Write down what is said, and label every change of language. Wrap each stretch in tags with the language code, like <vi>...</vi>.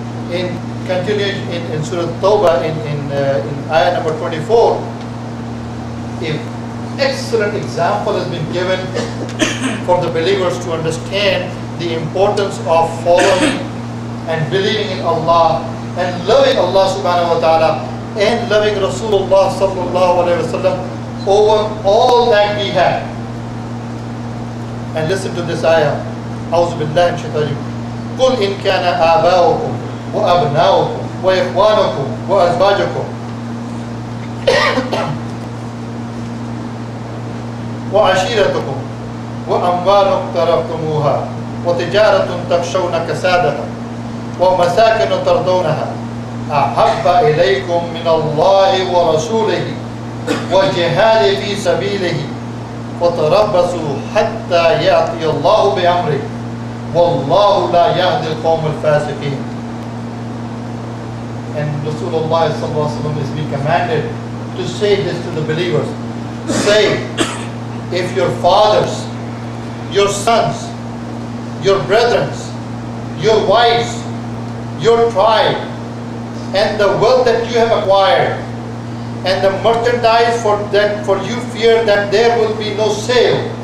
<en>In continuation in Surah Tawbah in ayah number 24, an excellent example has been given for the believers to understand the importance of following and believing in Allah and loving Allah subhanahu wa ta'ala and loving Rasulullah sallallahu alayhi wa sallam over all that we have. And listen to this ayah.</en> <ar>أعوذ بالله من الشيطان الرجيم. قل إن كان آباؤكم وأبناؤكم وإخوانكم وأزواجكم وعشيرتكم وأموال اقترفتموها وتجارة تخشون كسادها ومساكن ترضونها أحب إليكم من الله ورسوله وجهاد في سبيله وتربصوا حتى يأتي الله بأمره والله لا يهدي القوم الفاسقين.</ar> <en>And Rasulullah sallallahu alaihi wasallam is being commanded to say this to the believers. Say, if your fathers, your sons, your brethren, your wives, your tribe, and the wealth that you have acquired, and the merchandise for that, for you fear that there will be no sale,</en>